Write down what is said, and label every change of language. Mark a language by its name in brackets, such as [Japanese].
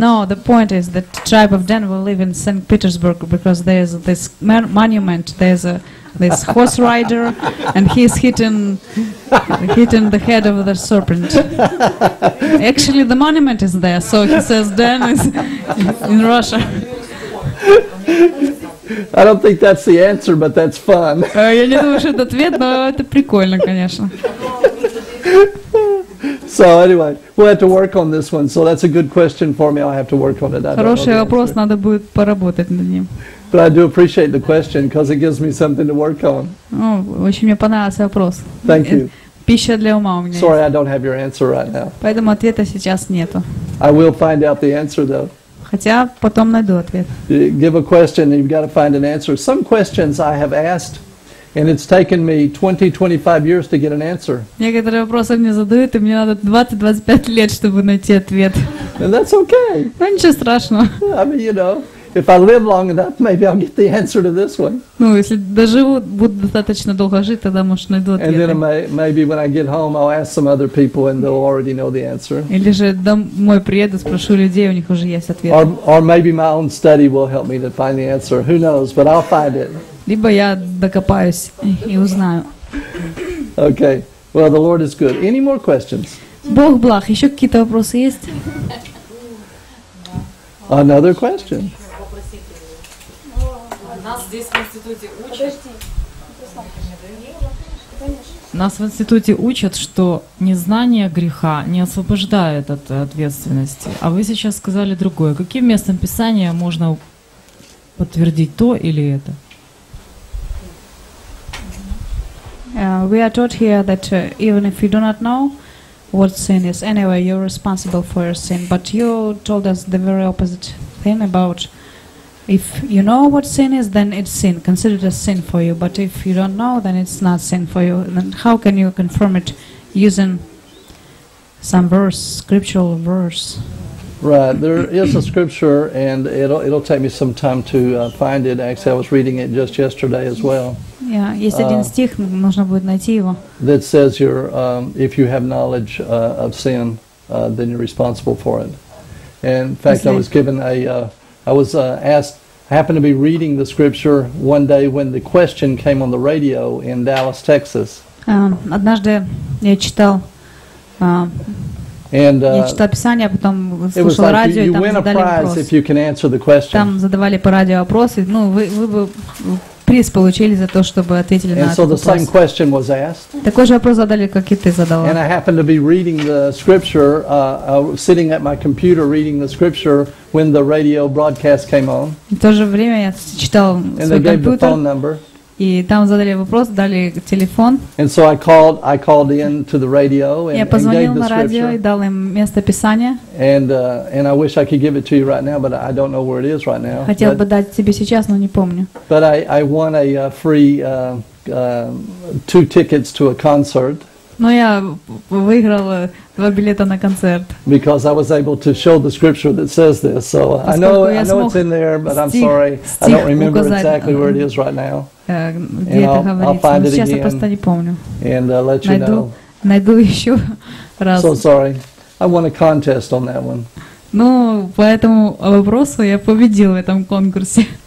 [English] No, the point is that the tribe of Dan will live in St. Petersburg because there's this monument, there's this horse rider, and he's hitting the head of the serpent. Actually, the monument is there, so he says Dan is in Russia. I don't think that's the answer, but that's fun. [Russian] Я не думаю, что это ответ, но это прикольно, конечно. [English] So anyway, we'll have to work on this one. So that's a good question for me. I'll have to work on it. [Russian] Хороший вопрос, надо будет поработать над ним. [English] But I do appreciate the question because it gives me something to work on. [Russian] Очень мне понравился вопрос. [English] Thank you. [Russian] Пища для ума у меня. [English] Sorry, I don't have your answer right now. [Russian] Поэтому ответа сейчас нету. [English] I will find out the answer though. [Russian] Хотя потом найду ответ. [English] Give a question and you've got to find an answer. Some questions I have asked. And it's taken me 20-25 years to get an answer. [Russian] Некоторые вопросы мне задают, и мне надо 20-25 лет, чтобы найти ответ. [English] And that's okay. [Russian] Ну ничего страшного. [English] I mean, you know, if I live long enough, maybe I'll get the answer to this one. [Russian] Ну, если доживу, буду достаточно долго жить, тогда может найду ответ. [English] And then maybe when I get home, I'll ask some other people, and they'll already know the answer. [Russian] Или же домой приеду, спрошу людей, у них уже есть ответ. [English] Or maybe my own study will help me to find the answer. Who knows? But I'll find it. [Russian] Либо я докопаюсь и узнаю. [English] Okay. Well, the Lord is good. Any more questions? [Russian] Бог благ. Еще какие-то вопросы есть? [English] Another question. [Russian] Нас в институте учат, что незнание греха не освобождает от ответственности. А вы сейчас сказали другое. Каким местом Писания можно подтвердить то или это? [English] We are taught here that even if you do not know what sin is, anyway, you're responsible for your sin. But you told us the very opposite thing about if you know what sin is, then it's sin, considered as sin for you. But if you don't know, then it's not sin for you. Then how can you confirm it using some verse, scriptural verse? Right. There is a scripture, and it'll take me some time to find it. Actually, I was reading it just yesterday as well. [Russian] Yeah, есть один стих, нужно будет найти его. [English] That says you're, if you have knowledge of sin, then you're responsible for it. And in fact, I was given asked, happened to be reading the scripture one day when the question came on the radio in Dallas, Texas. [Russian] Однажды я читал. [English] And it was like you win a prize if you can answer the question. [Russian] Там задавали по радио вопросы, ну вы бы приз получили за то, чтобы ответили на этот вопрос. [English] And so the same question was asked. [Russian] Такой же вопрос задали, как и ты задал. [English] And I happened to be reading the scripture, sitting at my computer reading the scripture when the radio broadcast came on. [Russian] В то же время я читал свой компьютер. [English] And they gave the phone number. [Russian] И там задали вопрос, дали телефон. [English] And so I called in to the radio and [Russian] я позвонил на радио и дал им место писания. [English] And I wish I could give it to you right now, but I don't know where it is right now. [Russian] Хотел бы дать тебе сейчас, но не помню. [English] But I won a free two tickets to a concert. [Russian] Но я выиграл 2 билета на концерт. [English] Because I was able to show the scripture that says this. So I know it's in there, but I'm sorry. I don't remember exactly where it is right now. I'll find it again. [Russian] Сейчас я просто не помню. [English] And I'll let you know. [Russian] Найду еще раз. [English] So sorry. I won a contest on that one. [Russian] Ну, по этому вопросу я победил в этом конкурсе.